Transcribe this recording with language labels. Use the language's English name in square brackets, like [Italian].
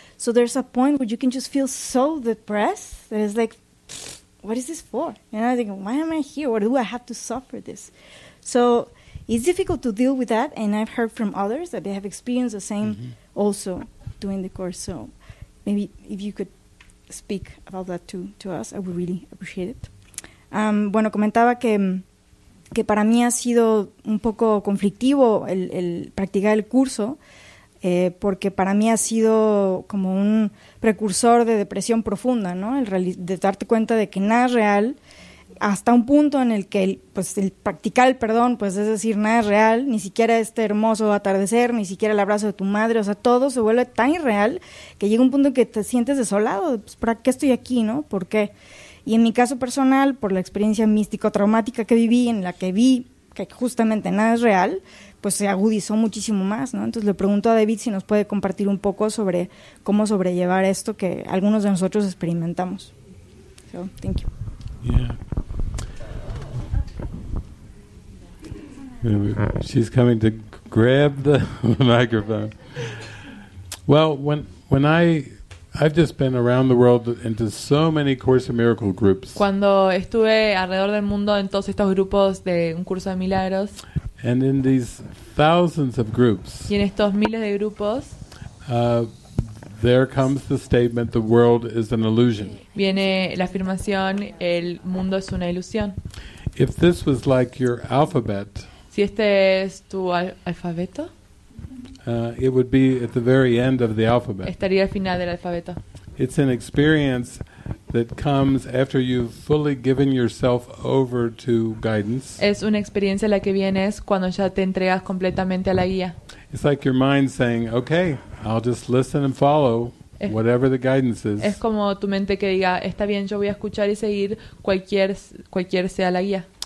[English] So there's a point where you can just feel so depressed that it's like, what is this for? You know, I think, why am I here? Why do I have to suffer this? So it's difficult to deal with that. And I've heard from others that they have experienced the same mm-hmm. also during the course. So maybe if you could speak about that to us, I would really appreciate it. [Spanish] Bueno, comentaba que para mí ha sido un poco conflictivo el practicar el curso, porque para mí ha sido como un precursor de depresión profunda, ¿no? De darte cuenta de que nada es real, hasta un punto en el que el practicar el perdón, pues es decir, nada es real, ni siquiera este hermoso atardecer, ni siquiera el abrazo de tu madre, o sea, todo se vuelve tan irreal que llega un punto en que te sientes desolado, pues, ¿para qué estoy aquí, no? ¿Por qué? Y en mi caso personal, por la experiencia místico-traumática que viví, en la que vi que justamente nada es real, pues se agudizó muchísimo más, ¿no? Entonces le pregunto a David si nos puede compartir un poco sobre cómo sobrellevar esto que algunos de nosotros experimentamos. [English] So, thank you. Yeah. She's coming to grab the microphone. Well, I've just been around the world into so many Course in Miracle groups. [Spanish] Cuando estuve alrededor del mundo en todos estos grupos de un curso de milagros. [English] And in these thousands of groups. [Spanish] Y en estos miles de grupos. [English] There comes the statement: the world is an illusion. [Spanish] Viene la afirmación: el mundo es una ilusión. [English] If this was like your alphabet. [Spanish] Si este es tu alfabeto. [English] It would be at the very end of the alphabet. [Spanish] Estaría al final del alfabeto. [English] It's an experience that comes after you've fully given yourself over to guidance. [Spanish] Es una experiencia la que vienes cuando ya te entregas completamente a la guía. [English] It's like your mind saying, "Okay, I'll just listen and follow whatever the guidance is." [Spanish] Es como tu mente que diga, "Está bien, yo voy a escuchar y seguir cualquier sea la guía."